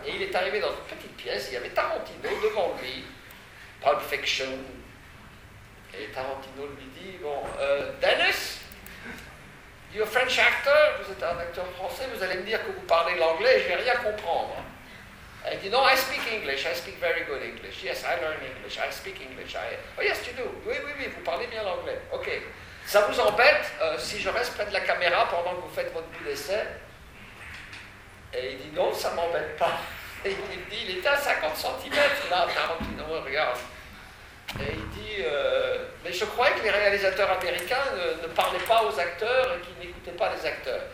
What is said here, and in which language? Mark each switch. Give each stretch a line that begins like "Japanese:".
French: Et il est arrivé dans une petite pièce, il y avait Tarantino devant lui, Pulp Fiction. Et Tarantino lui dit, bon, Dennis,
English: you're a French actor,
French: vous êtes un acteur français, vous allez me dire que vous parlez l'anglais, je vais rien comprendre. Et il dit, non,
English: I speak English, I speak very good English. Yes, I learn English, I speak English. Oh yes, you do.
French: Oui, vous parlez bien l'anglais. Ok. Ça vous embête si je reste près de la caméra pendant que vous faites votre bout d'essai? Et il dit, non, ça ne m'embête pas. Et il me dit, il était à 50 cm, là, Tarantino, regarde. Et il dit, mais je croyais que les réalisateurs américains ne parlaient pas aux acteurs et qu'ils n'écoutaient pas les acteurs.